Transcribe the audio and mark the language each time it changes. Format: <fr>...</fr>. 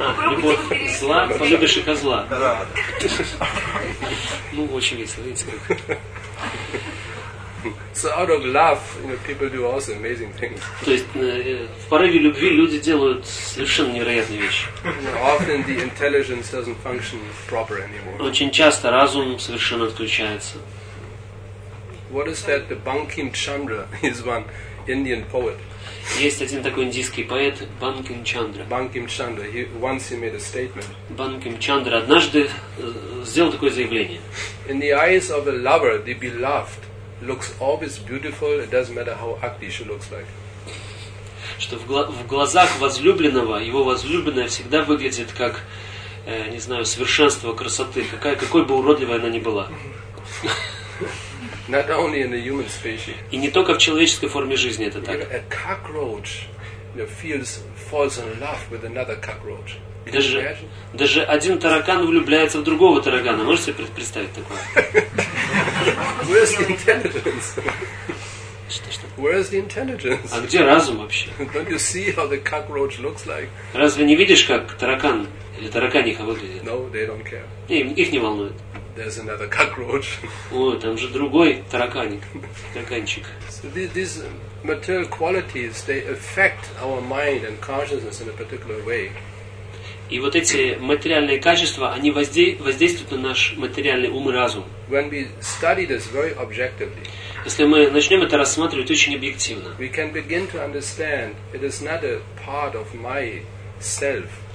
<ru>Любовь зла, полюбишь и козла. Ну, очень весело, видите, как.</ru> <en>So out of love, you know, people do also amazing things.</en> <ru>То есть в порыве любви люди делают совершенно невероятные вещи.</ru> <en>Often the intelligence doesn't function proper anymore.</en> <ru>Очень часто разум совершенно отключается.</ru> <en>What is that? The Bankim Chandra is one Indian poet.</en> <ru>Есть один такой индийский поэт Банким Чандра.</ru> <en>Банким Чандра. Once he made a statement.</en> <ru>Банким Чандра однажды сделал такое заявление.</ru> <en>In the eyes of a lover, the beloved looks always beautiful. It doesn't matter how ugly she looks like.</en> <ru>Что в глазах возлюбленного его возлюбленная всегда выглядит как, не знаю, совершенство красоты, какой бы уродливой она ни была.</ru> <en>Not only in the human species.</en> <ru>И не только в человеческой форме жизни это так.</ru> <en>A cockroach falls in love with another cockroach.</en> <ru>Даже один таракан влюбляется в другого таракана. Можете себе представить такое?</ru> <en>Where's the intelligence? Where's the intelligence?</en> <ru>А где разум вообще?</ru> <en>Don't you see how the cockroach looks like?</en> <ru>Разве не видишь, как таракан или тараканиха выглядит?</ru> <en>No, they don't care.</en> <ru>Их не волнует.</ru> <en>There's another cockroach.</en> <ru>О, там же другой тараканчик.</ru> <en>So these material qualities, they affect our mind and consciousness in a particular way.</en> <ru>И вот эти материальные качества, они воздействуют на наш материальный ум и разум.</ru> <en>When we study this very objectively.</en> <ru>Если мы начнем это рассматривать очень объективно,</ru> <en>we can begin to understand it is not a part of my self.</en>